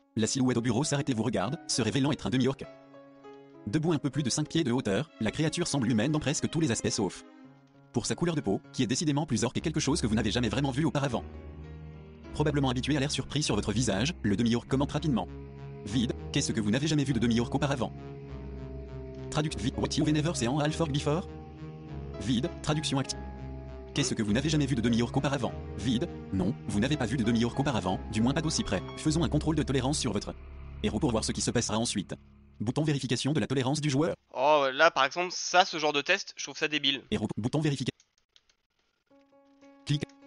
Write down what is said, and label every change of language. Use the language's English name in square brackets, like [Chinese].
[French] La silhouette au bureau s'arrête et vous regarde, se révélant être un demi-orc. Debout un peu plus de 5 pieds de hauteur, la créature semble humaine dans presque tous les aspects sauf pour sa couleur de peau, qui est décidément plus orque et quelque chose que vous n'avez jamais vraiment vu auparavant. Probablement habitué à l'air surpris sur votre visage, le demi-orc commente rapidement. Vide, qu'est-ce que vous n'avez jamais vu de demi-orc auparavant? Traduct vide, [English] what you've never seen half orc before? [French] Vide, traduction active. Qu'est-ce que vous n'avez jamais vu de demi-orc auparavant? Vide, non, vous n'avez pas vu de demi-orc auparavant, du moins pas d'aussi près. Faisons un contrôle de tolérance sur votre héros pour voir ce qui se passera ensuite. Bouton vérification de la tolérance du joueur. Oh, là par exemple, ça, ce genre de test, je trouve ça débile. Héros, bouton vérification. Clic.